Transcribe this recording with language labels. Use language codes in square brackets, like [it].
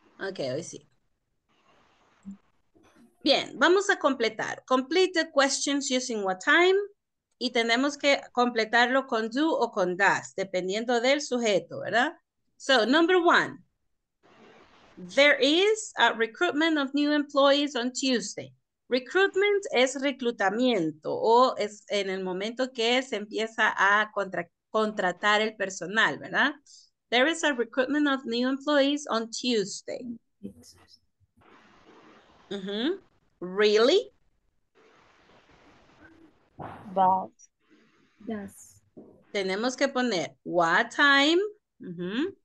[es] Okay, hoy sí. Bien, vamos a completar. [en] Complete the questions using what time. [es] Y tenemos que completarlo con do o con does, dependiendo del sujeto, ¿verdad? [en] So, number one. There is a recruitment of new employees on Tuesday. [es] Recruitment es reclutamiento o es en el momento que se empieza a contratar el personal, ¿verdad? [en] There is a recruitment of new employees on Tuesday. Mm-hmm. Really? But. Yes. [es] Tenemos que poner what time. Mm-hmm.